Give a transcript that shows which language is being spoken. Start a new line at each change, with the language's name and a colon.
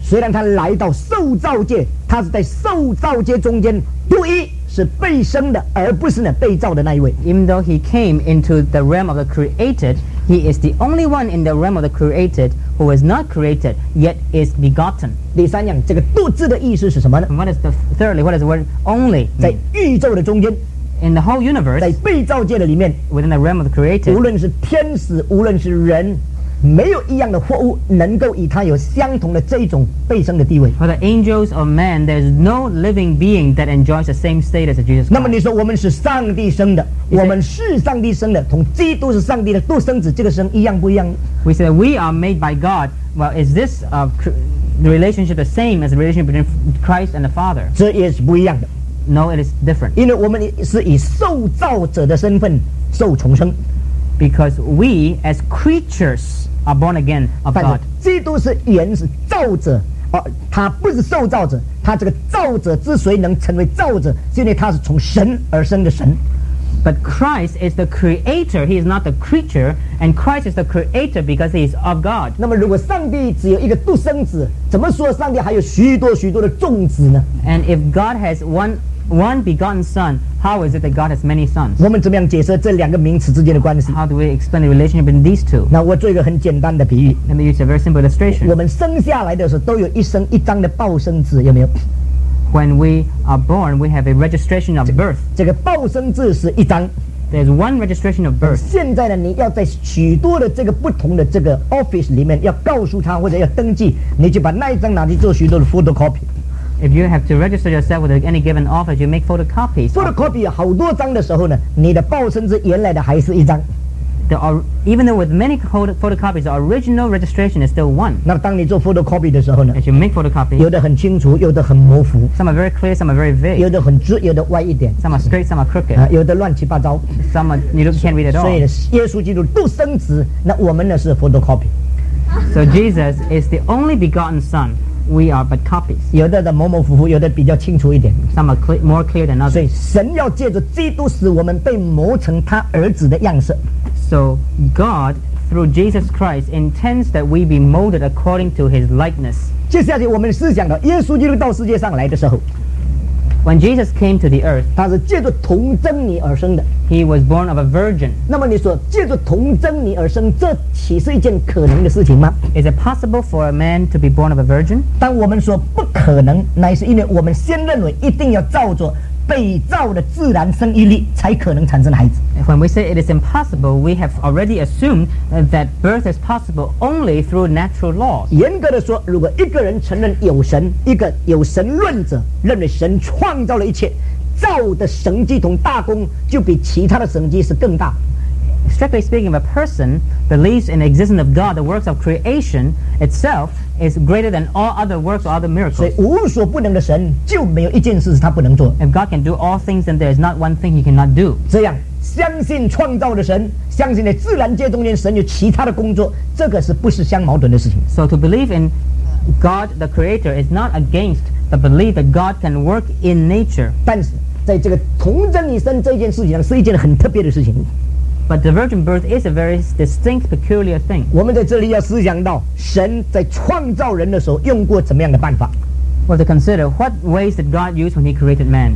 Chinese: 虽然他来到受造界，他是在受造界中间独一，是被生的，而不是呢被造的那一位。
English: Even though he came into the realm of the created, he is the only one in the realm of the created who is not created yet is begotten.
Chinese: 第三样，这个独自的意思是什么呢？
English: And what is the thirdly? What is the word only?
Chinese: 在宇宙的中间。
English: In the whole universe.
Chinese: 在被造界的里面。
English: Within the realm of the created.
Chinese: 无论是天使，无论是人，没有一样的货物能够与他有相同的这种被生的地位。
English: For the angels or man, there is no living being that enjoys the same status as Jesus Christ.
Chinese: 那么你说我们是上帝生的，我们是上帝生的，同基督是上帝的独生子这个生一样不一样？
English: We say we are made by God. Well, is this the relationship the same as the relationship between Christ and the Father?
Chinese: 这也是不一样的。
English: No, it is different.
Chinese: 因为我们是以受造者的身份受重生。
English: Because we as creatures are born again of God.
Chinese: 但是基督是原是造者，他不是受造者。他这个造者之所以能成为造者，是因为他是从神而生的神。
English: But Christ is the creator, he is not the creature, and Christ is the creator because he is of God.
Chinese: 那么如果上帝只有一个独生子，怎么说上帝还有许多许多的众子呢？
English: And if God has one one begotten son, how is it that God has many sons?
Chinese: 我们怎么样解释这两个名词之间的关系？
English: How do we explain the relationship between these two?
Chinese: 那我做一个很简单的比喻。
English: Let me use a very simple illustration.
Chinese: 我们生下来的时候都有一生一张的报生纸，有没有？
English: When we are born, we have a registration of birth.
Chinese: 这个报生纸是一张。
English: There's one registration of birth.
Chinese: 现在呢，你要在许多的这个不同的这个 office 里面，要告诉他或者要登记，你就把那一张拿去做许多的 photocopy。
English: If you have to register yourself with any given office, you make photocopies.
Chinese: Photocopy 有好多张的时候呢，你的报生纸原来的还是一张。
English: Even though with many photocopies, the original registration is still one.
Chinese: 那当你做 photocopy 的时候呢？
English: As you make photocopy,
Chinese: 有的很清楚，有的很模糊。
English: Some are very clear, some are very vague.
Chinese: 有的很直，有的歪一点。
English: Some are straight, some are crooked.
Chinese: 有的乱七八糟。
English: Some are, you can't read at all.
Chinese: 所以耶稣基督独生子，那我们呢是 photocopy.
English: So Jesus is the only begotten son. We are but copies.
Chinese: 有的模模糊糊，有的比较清楚一点。
English: Some are more clear than others.
Chinese: 所以神要借着基督使我们被磨成他儿子的样式。
English: So God, through Jesus Christ, intends that we be molded according to His likeness.
Chinese: 接下去我们思想的，耶稣基督到世界上来的时候，
English: When Jesus came to the earth,
Chinese: 他是借着童贞女而生的。
English: He was born of a virgin.
Chinese: 那么你说，借着童贞女而生，这岂是一件可能的事情吗？
English: Is it possible for a man to be born of a virgin?
Chinese: 当我们说不可能，乃是因为我们先认为一定要照着被造的自然生育力才可能产生孩子。
English: When we say it is impossible, we have already assumed that birth is possible only through natural laws.
Chinese: 严格的说，如果一个人承认有神，一个有神论者认为神创造了一切，造的神迹同大功就比其他的神迹是更大。
English: Strictly speaking, if a person believes in the existence of God, the works of creation itself is greater than all other works or other miracles.
Chinese: 所以无所不能的神就没有一件事是他不能做。
English: If God can do all things, then there is not one thing He cannot do.
Chinese: 这样，相信创造的神，相信在自然界中间神有其他的工作，这个是不是相矛盾的事情？
English: So to believe in God, the Creator, is not against the belief that God can work in nature.
Chinese: 但是在这个童贞一生这件事情上，是一件很特别的事情。
English: But the virgin birth is a very distinct, peculiar thing.
Chinese: 我们在这里要思想到神在创造人的时候用过怎么样的办法。
English: We have to consider what ways did God use when He created man.